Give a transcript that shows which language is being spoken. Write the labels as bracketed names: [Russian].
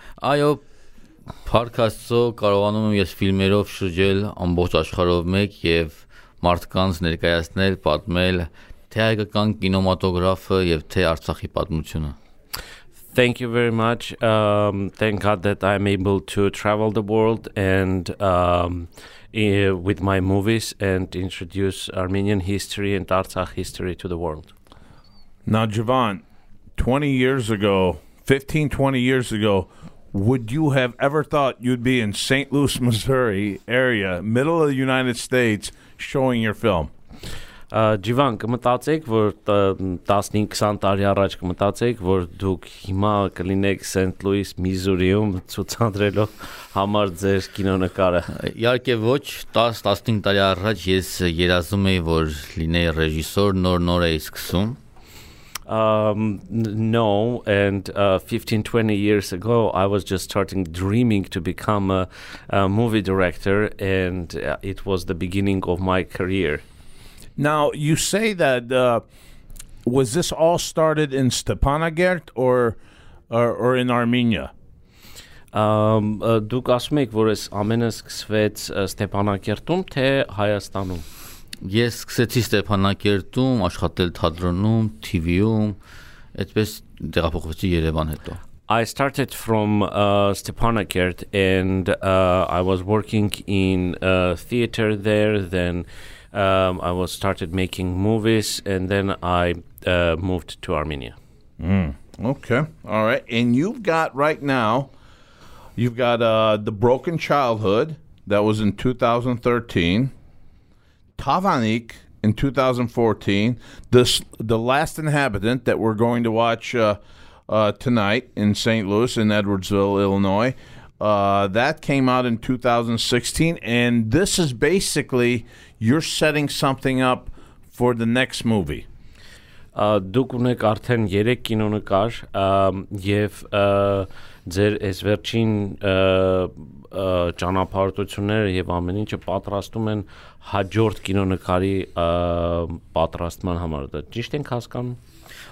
[Armenian] Ayo Podcast-ը կարողանում եմ ես ֆիլմերով շրջել ամբողջ աշխարհով մեկ եւ մարդկանց ներկայացնել, պատմել թե հայկական կինոմատոգրաֆը եւ թե Արցախի պատմությունը. [English] Thank you very much. Thank God that I'm able to travel the world and with my movies and introduce Armenian history and Artsakh history to the world. Now, Jivan, 15-20 years ago, would you have ever thought you'd be in St. Louis, Missouri area, middle of the United States, showing your film? [Armenian] Jivan, կմտածեիք, որ 15-20 տարի առաջ կմտածեիք, որ դուք հիմա կլինեք St. Louis, Missouri-ում ցուցադրելու համար ձեր կինոնկարը? Իհարկե ոչ, 10-15 տարի առաջ ես երազում էի, որ լինեի ռեժիսոր, նոր էի սկսում. [English] No, and 15-20 years ago, I was just starting dreaming to become a movie director, and it was the beginning of my career. Now, you say that, was this all started in Stepanakert or in Armenia? [Armenian] Duk asum ek vor es amene sksvets Stepanakertum te Hayastanum. Ես սկսեցի Ստեփանակերտում աշխատել թատրոնում, TV-ում, այդպես տեղափոխվեցի Երևան հետո։ [English] I started from Stepanakert and I was working in theater there, then I was started making movies and then I moved to Armenia. Okay. All right. And you've got The Broken Childhood that was in 2013. Tavanik in 2014, the Last Inhabitant that we're going to watch tonight in St. Louis in Edwardsville, Illinois, that came out in 2016, and this is basically you're setting something up for the next movie. [Armenian] Դուք ունեք արդեն 3 կինոնկար եւ ձեր այս վերջին ճանապարհորդությունները եւ ամեն ինչը պատրաստում են հաջորդ կինոնկարի պատրաստման համար, դա ճիշտ ենք հասկանում։